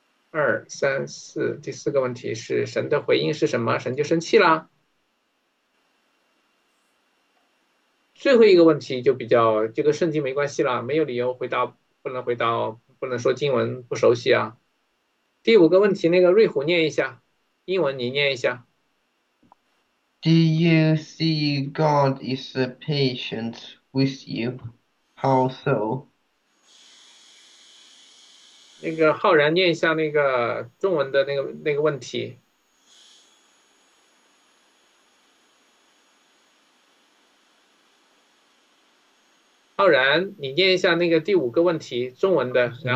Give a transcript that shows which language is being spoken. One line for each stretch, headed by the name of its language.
Chinese: 二三四，第四个问题是神的回应是什么？神就生气啦。最后一个问题就比较，这个圣经没关系啦，没有理由回答，不能回答，不能说经文不熟悉啊。第五个问题，那个瑞虎念一下，英文你念一下。
English: Do you see God is patient with you? How so?
Chinese: 那个浩然念一下那个中文的那个问题。浩然，你念一下那个第五个问题，中文的，然